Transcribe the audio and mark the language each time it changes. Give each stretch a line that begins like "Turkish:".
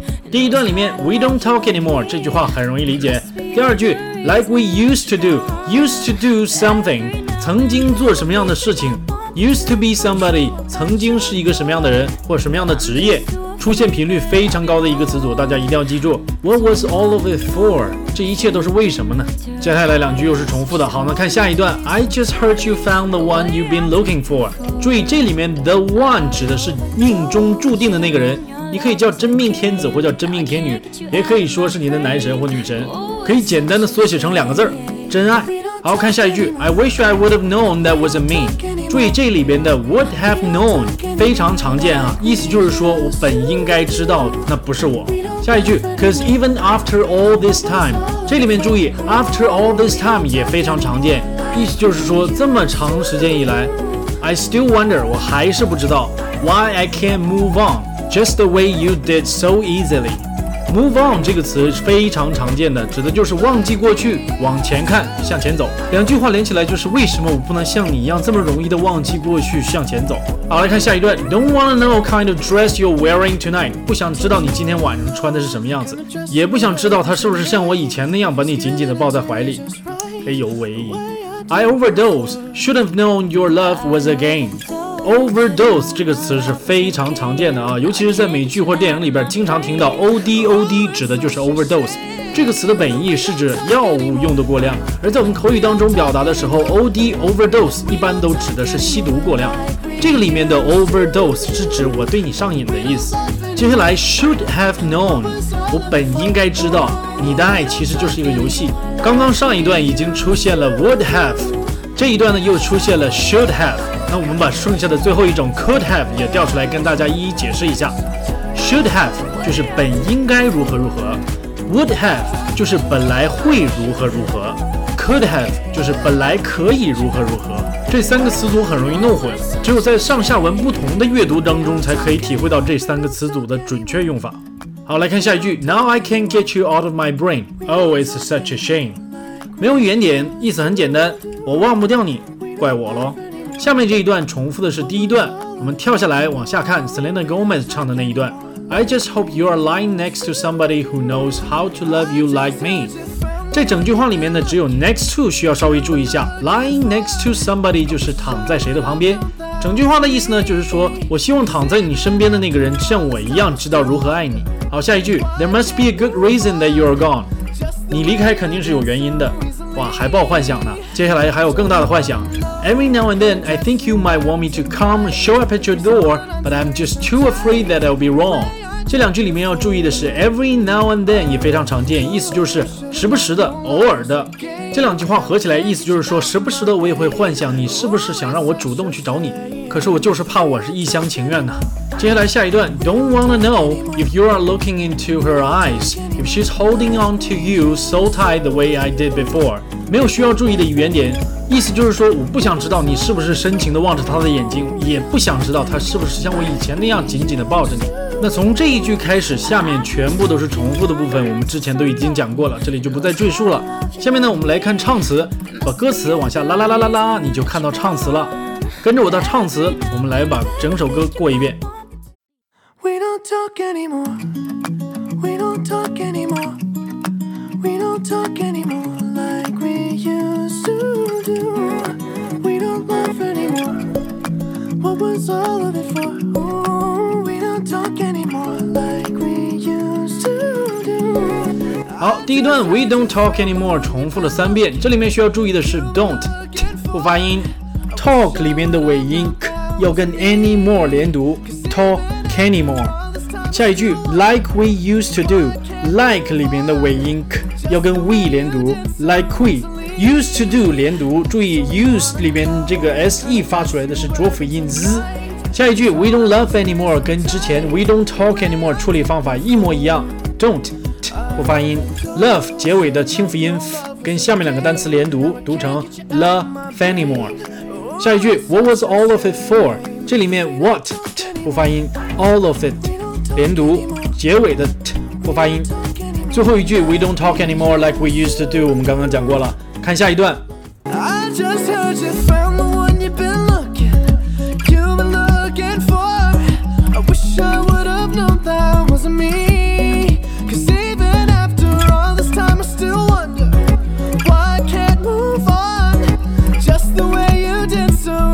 Chinese: 第一段里面
English: We don't talk anymore
Chinese: 这句话很容易理解，第二句
English: Like we used to do, used to do something
Chinese: 曾经做什么样的事情，
English: Used to be somebody
Chinese: 曾经是一个什么样的人或什么样的职业，出现频率非常高的一个词组，大家一定要记住。
English: What was all of it for?
Chinese: 这一切都是为什么呢？接下来两句又是重复的。好，那看下一段。
English: I just heard you found the one you've been looking for。
Chinese: 注意这里面 the one 指的是命中注定的那个人，你可以叫真命天子或叫真命天女，也可以说是你的男神或女神，可以简单的缩写成两个字，真爱。好，看下一句。
English: I wish I would have known that wasn't me。
Chinese: 注意这里边的
English: would have known
Chinese: 非常常见啊，意思就是说我本应该知道那不是我。下一句
English: Cause even after all this time，
Chinese: 这里面注意
English: after all this time
Chinese: 也非常常见，意思就是说这么长时间以来。
English: I still wonder，
Chinese: 我还是不知道。
English: Why I can't move on just the way you did so easily。
Chinese: Move on 这个词非常常见的，指的就是忘记过去，往前看，向前走。两句话连起来就是为什么我不能像你一样这么容易的忘记过去，向前走。好，来看下一段。
English: Don't wanna know what kind of dress you're wearing tonight，
Chinese: 不想知道你今天晚上穿的是什么样子，也不想知道他是不是像我以前那样把你紧紧的抱在怀里。哎呦喂。
English: I overdose should have known your love was a game。
Chinese: Overdose 这个词是非常常见的啊，尤其是在美剧或电影里边经常听到 ODOD 指的就是 Overdose。这个词的本意是指药物用的过量，而在我们口语当中表达的时候 OD Overdose 一般都指的是吸毒过量，这个里面的 Overdose 是指我对你上瘾的意思。接下来
English: Should have known，
Chinese: 我本应该知道你的爱其实就是一个游戏。刚刚上一段已经出现了 Would have， 这一段呢又出现了 Should have，那我们把剩下的最后一种 could have 也调出来跟大家一一解释一下。 should have 就是本应该如何如何， would have 就是本来会如何如何， could have 就是本来可以如何如何。这三个词组很容易弄混，只有在上下文不同的阅读当中才可以体会到这三个词组的准确用法。好，来看下一句。
English: Now I can't get you out of my brain， Oh it's such a shame。
Chinese: 没有原点，意思很简单，我忘不掉你，怪我咯。下面这一段重复的是第一段，我们跳下来往下看 Selena Gomez 唱的那一段。
English: I just hope you are lying next to somebody who knows how to love you like me。
Chinese: 这整句话里面呢只有 next to 需要稍微注意一下，
English: lying next to somebody
Chinese: 就是躺在谁的旁边。整句话的意思呢就是说我希望躺在你身边的那个人像我一样知道如何爱你。好，下一句。
English: There must be a good reason that you are gone，
Chinese: 你离开肯定是有原因的。哇，还抱幻想呢，接下来还有更大的幻想。
English: Every now and then, I think you might want me to come show up at your door, but I'm just too afraid that I'll be wrong.
Chinese: 这两句里面要注意的是 ，
English: every now and then
Chinese: 也非常常见，意思就是时不时的、偶尔的。这两句话合起来，意思就是说，时不时的我也会幻想你是不是想让我主动去找你，可是我就是怕我是一厢情愿的。接下来下一段
English: ，Don't wanna know if you are looking into her eyes, if she's holding on to you so tight the way I did before.
Chinese: 没有需要注意的语言点。意思就是说我不想知道你是不是深情地望着他的眼睛，也不想知道他是不是像我以前那样紧紧地抱着你。那从这一句开始，下面全部都是重复的部分，我们之前都已经讲过了，这里就不再赘述了。下面呢我们来看唱词，把歌词往下拉拉拉拉拉，你就看到唱词了。跟着我的唱词，我们来把整首歌过一遍。
English: We don't talk anymore. We don't talk anymore. We don't talk anymore like we used to do. We don't love anymore. What was all of it for? Ooh, we don't talk anymore like we used to do.
Chinese: 好，第一段
English: We don't talk anymore
Chinese: 重复了三遍，这里面需要注意的是 don't 不发音 talk 里面的尾音 k 要跟 anymore 连读 talk。 Anymore， 下一句
English: like we used to do，
Chinese: like 里面的尾音 k 要跟 we 连读， like we used to do 连读，注意 use 里面这个 se 发出来的是浊辅音 z。下一句
English: we don't love anymore
Chinese: 跟之前
English: we don't talk anymore
Chinese: 处理方法一模一样， don't t 不发音， love 结尾的清辅音 f 跟下面两个单词连读，读成 love anymore。下一句
English: what was all of it for？
Chinese: 这里面 what t 不发音， all of it 连读，结尾的 t 不发音。最后一句
English: we don't talk anymore like we used to do
Chinese: 我们刚刚讲过了，看下一段。
English: I just heard you found the one you've been looking You've been looking for I wish I would have known that wasn't me Cause even after all this time I still wonder Why I can't move on Just the way you did so